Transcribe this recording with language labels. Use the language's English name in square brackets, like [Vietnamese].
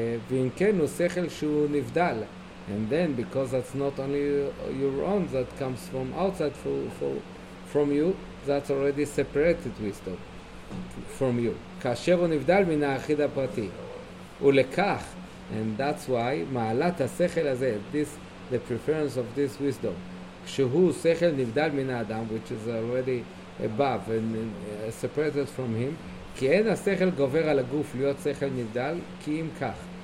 [Hebrew] ואם כן, הוא שכל שהוא נבדל. [English] And then, because that's not only your own, that comes from outside from you, that's already separated wisdom from you. [Hebrew] כאשר הוא נבדל מן האחיד הפרטי. ולכך, [English] and that's why, [Hebrew] מעלת השכל הזה, [English] the preference of this wisdom, [Hebrew] כשהוא שכל נבדל מן האדם, [English] which is already above and separated from him. [Hebrew] כי אין השכל גובר על הגוף להיות שכל נבדל, כי אם כך.